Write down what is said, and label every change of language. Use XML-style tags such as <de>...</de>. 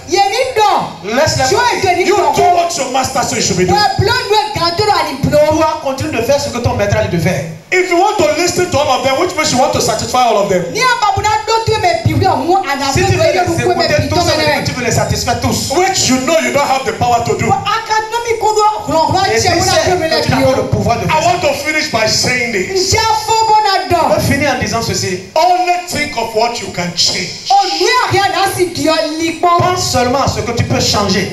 <en>Do what your master says you should be doing.</en> <fr>Tu vas continuer de faire ce que ton maître a dit de faire.</fr> <en>If you want to listen to all of them, which means you want to satisfy all of them.</en> <fr>Si tu veux les satisfaire tous,</fr> <en>which you know you don't have the power to do.</en> <fr>Et tu n'as pas le pouvoir de faire.</fr> <en>I want to finish by saying this.</en> <fr>Je vais finir en disant ceci.</fr> <en>Only think of what you can change.</en> <fr>Pense seulement à ce que tu peux changer.</fr>